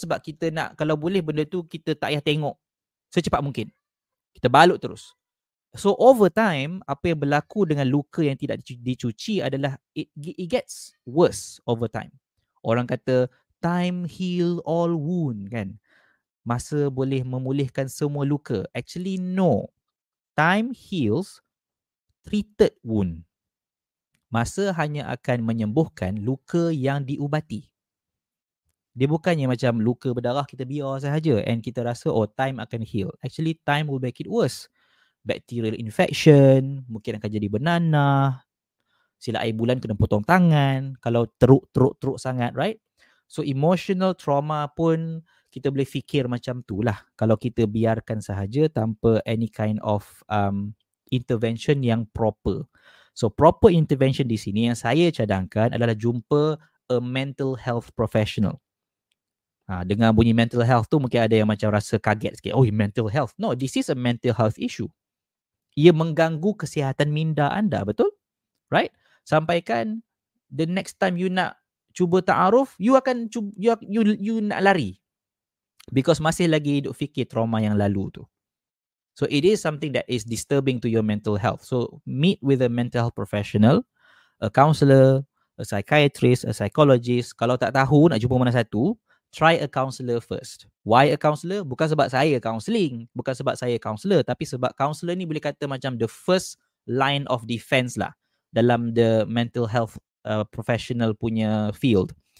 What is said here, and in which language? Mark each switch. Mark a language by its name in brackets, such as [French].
[Malay] Sebab kita nak, kalau boleh benda tu, kita tak payah tengok secepat mungkin. Kita balut terus. So over time, apa yang berlaku dengan luka yang tidak dicuci adalah [English] it gets worse over time. [Malay] Orang kata [English] time heal all wound [Malay] kan. Masa boleh memulihkan semua luka. [English] Actually no. Time heals treated wound. [Malay] Masa hanya akan menyembuhkan luka yang diubati. Dia bukannya macam luka berdarah kita biar sahaja and kita rasa oh time akan heal. [English] Actually time will make it worse. [Malay] Bacterial infection, mungkin akan jadi bernanah, sila air bulan kena potong tangan, kalau teruk sangat, right? So emotional trauma pun kita boleh fikir macam tu lah. Kalau kita biarkan sahaja tanpa [English] any kind of intervention [Malay] yang proper. [English] So proper intervention [Malay] di sini yang saya cadangkan adalah jumpa [English] a mental health professional. [Malay] Ha, dengar bunyi mental health tu mungkin ada yang macam rasa kaget sikit. Oh, mental health. [English] No, this is a mental health issue. [Malay] Ia mengganggu kesihatan minda anda, betul? Right? Sampaikan [English] the next time you [Malay] nak cuba ta'aruf, you nak lari. Because masih lagi duk fikir trauma yang lalu tu. [English] So it is something that is disturbing to your mental health. So meet with a mental health professional, a counselor, a psychiatrist, a psychologist. [Malay] Kalau tak tahu nak jumpa mana satu, [English] try a counselor first. Why a counselor? [Malay] Bukan sebab saya counseling, bukan sebab saya counselor, tapi sebab counselor ni boleh kata macam [English] the first line of defense [Malay] lah dalam [English] the mental health professional [Malay] punya field.